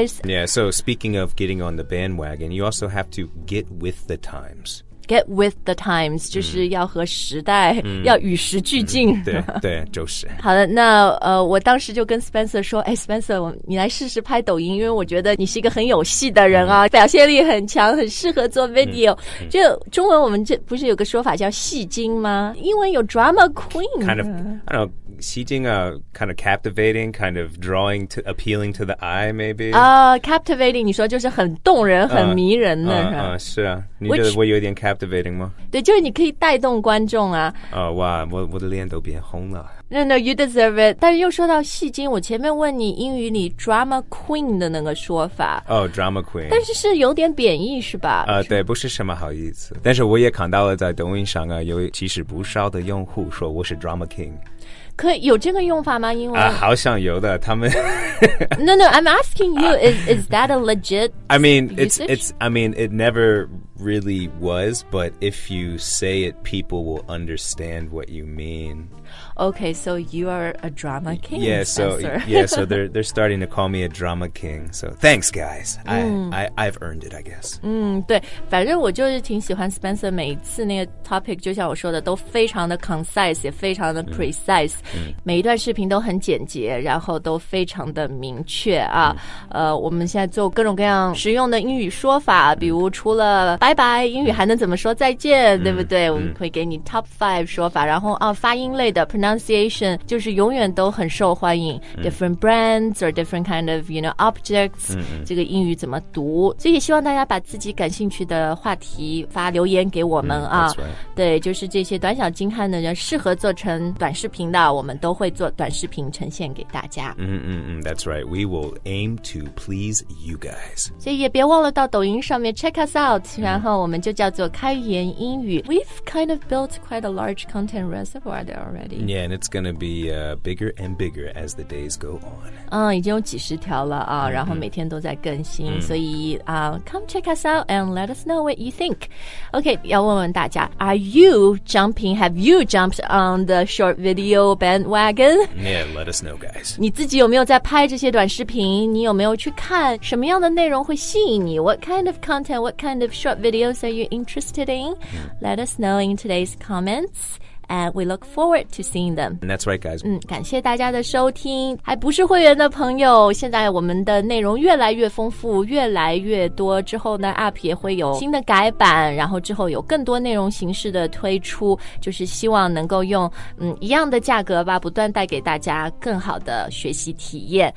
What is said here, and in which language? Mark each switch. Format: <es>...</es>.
<en>Yeah, so speaking of getting on the bandwagon, you also have to get with the times. get with the times,</en> <zh>就是要和时代，要与时俱进。对对，就是。好的，那我当时就跟 Spencer 说，哎 ，Spencer， 你来试试拍抖音，因为我觉得你是一个很有戏的人啊，表现力很强，很适合做 video。就中文我们这不是有个说法叫戏精吗？英文有 drama queen。</zh> <en>Kind of, I don't know.</en> <zh>戏精啊</zh> <en>kind of captivating, kind of drawing, to, appealing to the eye, maybe.</en> <zh>Captivating, 你说就是很动人很迷人的是啊你觉得我有点 captivating 吗对就是你可以带动观众啊。哇我的脸都变红了。</zh> <en>No, no, you deserve it.</en> <zh>但是又说到戏精我前面问你英语里 drama queen 的那个说法。</zh> <en>drama queen.</en> <zh>但是是有点贬义是吧对不是什么好意思。但是我也看到了在抖音上啊有其实不少的用户说我是 drama king。可以有这个用法吗英文好像有的他们</zh> <en>No, no, I'm asking you, is that a legit I mean, it's, I mean, it never really was, but if you say it, people will understand what you mean. Okay, so you are a drama king, yeah, so, Spencer. Yeah, so they're starting to call me a drama king. So thanks, guys. I've earned it, I guess.</en> <zh>对反正我就是挺喜欢 Spencer 每一次那个 topic, 就像我说的都非常的 concise, 也非常的 precise. 每一段视频都很简洁然后都非常的明确啊。我们现在做各种各样实用的英语说法比如除了拜拜英语还能怎么说再见对不对我们会给你 top 5说法然后发音类的 pronunciation 就是永远都很受欢迎</zh> <en>different brands or different kind of you know objects</en> <zh>这个英语怎么读所以希望大家把自己感兴趣的话题发留言给我们啊。对就是这些短小精悍的人适合做成短视频那我们都会做短视频呈现给大家。</zh> <en>That's right. We will aim to please you guys.</en> <zh>所以也别忘了到抖音上面</zh> <en>check us out.</en> <zh>然后我们就叫做开言英语。</zh> <en>We've kind of built quite a large content reservoir there already. Yeah, and it's going to be bigger and bigger as the days go on.</en> <zh>已经有几十条了啊，然后每天都在更新。所以</zh> <en>come check us out and let us know what you think. Okay,</en> <zh>要问问大家</zh> <en>，Are you jumping? Have you jumped on the short video? Bandwagon. Yeah, let us know, guys.</en> <zh>你自己有没有在拍这些短视频？你有没有去看什么样的内容会吸引你 ？</zh> <en>What kind of content? What kind of short videos are you interested in? Let us know in today's comments, and we look forward to seeing them. And that's right, guys.</en> <zh>感谢大家的收听。还不是会员的朋友，现在我们的内容越来越丰富，越来越多。之后呢 ，App 也会有新的改版，然后之后有更多内容形式的推出，就是希望能够用一样的价格吧，不断带给大家更好的学习体验。</zh>